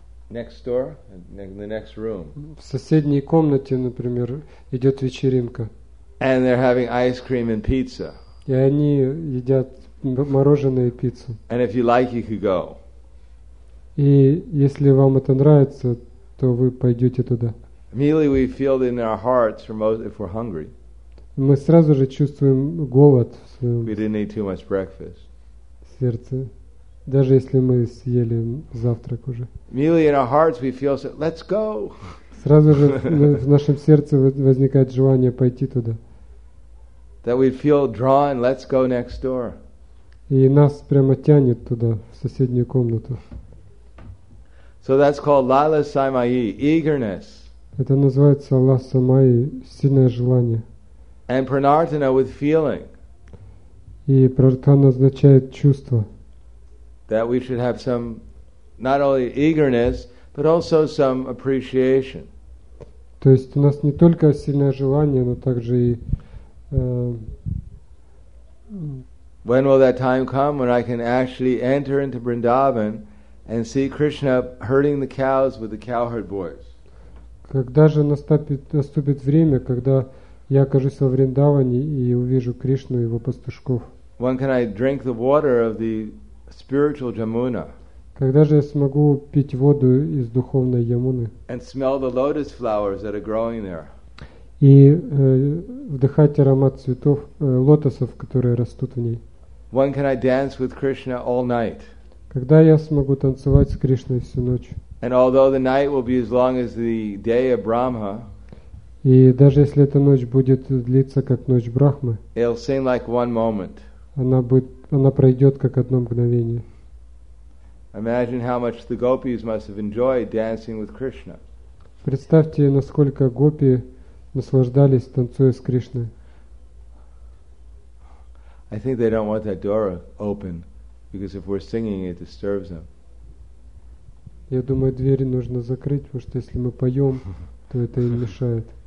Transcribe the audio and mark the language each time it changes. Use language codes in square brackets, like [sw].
[en] Next door, in the next room. [ru] В соседней комнате, например, идет вечеринка. [en] And they're having ice cream and pizza. [ru] И они едят мороженое и пиццу. [en] And if you like, you could go. [ru] И если вам это нравится, то вы пойдете туда. [en] Immediately we feel in our hearts for most if we're hungry. [ru] Мы сразу же чувствуем голод в своем. [en] We didn't eat too much breakfast. [ru] Сердце. Даже если мы съели завтрак уже. [en] Immediately in our hearts we feel so, let's go. [ru] Сразу же в нашем сердце возникает желание пойти туда. [en] That we feel drawn, let's go next door. [ru] И нас прямо тянет туда, в соседнюю комнату. [en] So that's called Lala Samayi, eagerness. [ru] Это называется Lala Samayi, сильное желание. [en] And Pranartana with feeling. [ru] И Pranartana означает чувство. [en] That we should have some, not only eagerness, but also some appreciation. [ru] То есть у нас не только сильное желание, но также и... [en] When will that time come when I can actually enter into Vrindavan and see Krishna herding the cows with the cowherd boys? [ru] Когда же наступит время, когда я окажусь во Вриндаване и увижу Кришну и его пастушков? [en] When can I drink the water of the spiritual Jamuna? [ru] Когда же я смогу пить воду из духовной Ямуны? [en] And smell the lotus flowers that are growing there? [ru] И вдыхать аромат цветов лотосов, которые растут в ней? [en] When can I dance with Krishna all night? [ru] Когда я смогу танцевать с Кришной всю ночь? [en] And although the night will be as long as the day of Brahma, [ru] и даже если эта ночь будет длиться как ночь Брахмы, [en] it'll seem like one moment. [ru] Она пройдет как одно мгновение. [en] Imagine how much the gopis must have enjoyed dancing with Krishna. [ru] Представьте, насколько гопи наслаждались, танцуя с Кришной. [en] I think they don't want that door open, because if we're singing, it disturbs them. [ru] Я думаю, двери нужно закрыть, потому что если мы поем, то это им мешает.